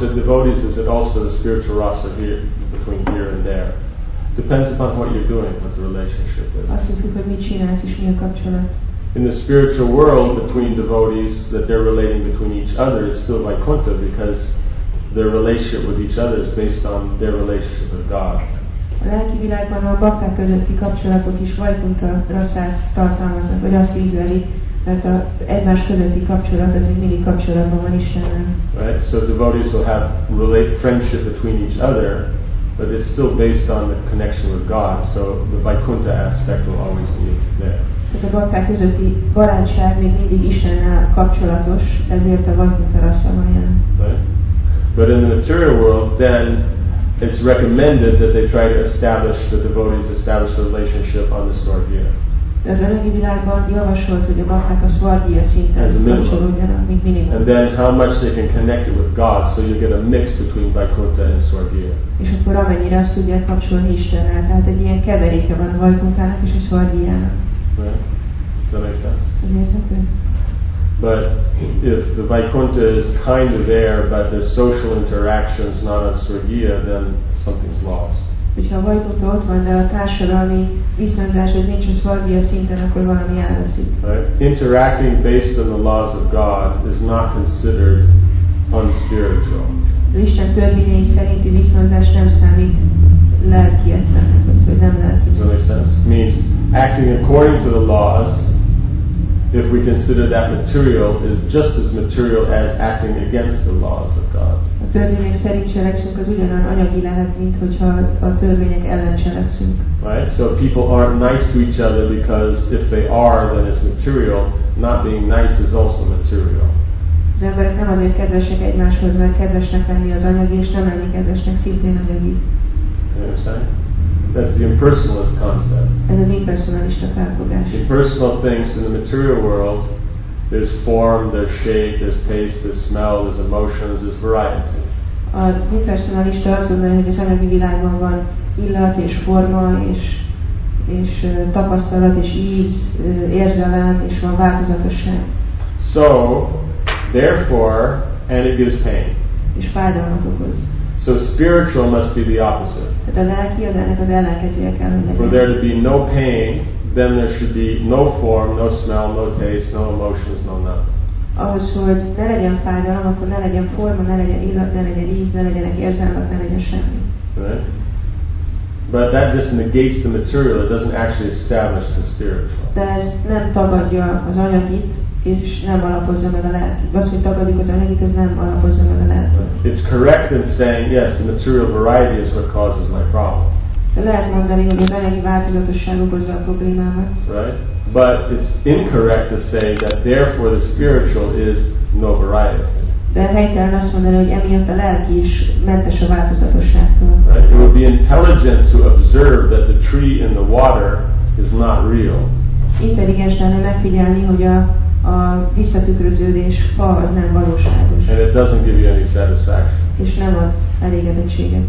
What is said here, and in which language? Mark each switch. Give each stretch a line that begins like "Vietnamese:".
English: the devotees, is it also the spiritual rasa here, between here and there? Depends upon what you're doing, what the relationship is. In the spiritual world, between devotees, that they're relating between each other is still Vaikuntha, because their relationship with each other is based on their relationship with God.
Hungarian: A lelki világban a bakták közötti kapcsolatok is Vaikuntha rasszát tartalmaznak, vagy azt ízleli, mert a egymás közötti kapcsolat az egy mindig kapcsolatban van Istennel.
English: Right, so devotees will have friendship between each other, But it's still based on the connection with God, so the Vaikuntha aspect will always be there.
Hungarian: Tehát a bakták közötti barátság még mindig Istennel kapcsolatos, ezért a Vaikuntha rasa van ilyen.
English: But in the material world, then it's recommended that they try to establish the devotees establish a relationship on the svargya.
Hungarian: Az anyagi világban javasolt, hogy a bakták a svargya szinten kapcsolódjanak, mint minimum.
English: And then how much they can connect it with God, so you get a mix between Vaikuntha and svargya.
Hungarian: És akkor amennyire azt tudják kapcsolni Istennel, tehát egy ilyen keveréke van a Vaikunthának és a svargyának.
English: Right? Does that make sense? But if the Vaikuntha is kind of there, but the social interaction is not on svargya, then something's lost.
Hungarian: Hogyha a Vaikuntha ott van, de a társadalmi viszonyzás az nincs a svargya szinten, akkor valami elveszik.
English: Interacting based on the laws of God is not considered unspiritual.
Hungarian: Isten törvényei szerinti viszonyzás nem számít lelkietlennek, vagy nem lelkietlennek.
English: Does that make sense? Means acting according to the laws, if we consider that material, is just as material as acting against the laws of God.
Hungarian: A törvények szerint cselekszünk, az ugyanolyan anyagi lehet, mint hogyha a törvények ellen cselekszünk.
English: Right? So people aren't nice to each other because if they are, then it's material. Not being nice is also material.
Hungarian: Az emberek nem azért kedvesek egymáshoz, mert kedvesnek lenni az anyagi, és nem lenni kedvesnek szintén anyagi.
English: That's the impersonalist concept.
Hungarian: Ez az impersonalista felfogás.
English: The impersonal things in the material world, there's form, there's shape, there's taste, there's smell, there's emotions, there's variety.
Hungarian: Az impersonalista azt gondolja, hogy az anyagi világban van illat és forma és tapasztalat és íz, érzelem és van változatosság.
English: So, therefore, and it gives pain.
Hungarian: És fájdalmat okoz.
English: So spiritual must be the opposite.
Hungarian: Tehát a lelki az ennek az ellenkezője kell lennie.
English: For there to be no pain, then there should be no form, no smell, no taste, no emotions, no nothing.
Hungarian: Ahhoz, hogy ne legyen fájdalom, akkor ne legyen forma, ne legyen illat, ne legyen íz, ne legyenek érzelmek, ne legyen semmi.
English: But that just negates the material, it doesn't actually establish the spiritual.
Hungarian: De ez nem tagadja az anyagit, és nem alapozza meg a lelkit. Az, hogy tagadjuk az anyagit, ez nem alapozza meg a lelkit.
English: It's correct in saying, yes, the material variety is what causes my problem.
Hungarian: De lehet mondani, hogy az anyagi változatosság okozza a problémámat.
English: Right? But it's incorrect to say that therefore the spiritual is no variety.
Hungarian: De helytelen azt mondani, hogy emiatt a lelki is mentes a változatosságtól.
English: Right? It would be intelligent to observe that the tree in the water is not real.
Hungarian: Intelligens lenne megfigyelni, hogy a visszatükröződés fa az nem valóságos.
English: And it doesn't give you any satisfaction.
Hungarian: És nem ad elégedettséget.